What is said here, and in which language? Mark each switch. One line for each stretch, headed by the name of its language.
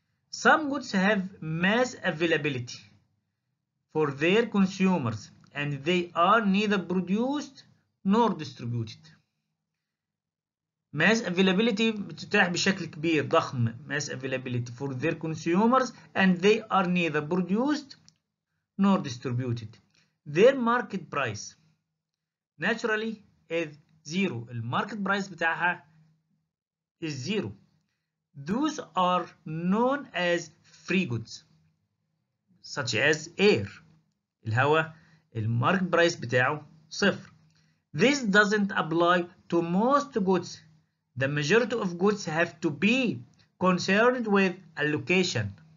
English: Some goods have mass availability for their consumers and they are neither produced nor distributed. Mass availability
Arabic: بتتاح بشكل كبير ضخم.
English: Mass availability for their consumers and they are neither produced nor distributed. Their market price naturally is zero.
Arabic: الماركت برايس بتاعها
English: is zero. Those are known as free goods, such as air.
Arabic: الهواء الماركت برايس بتاعه صفر.
English: This doesn't apply to most goods. The majority of goods have to be concerned with allocation.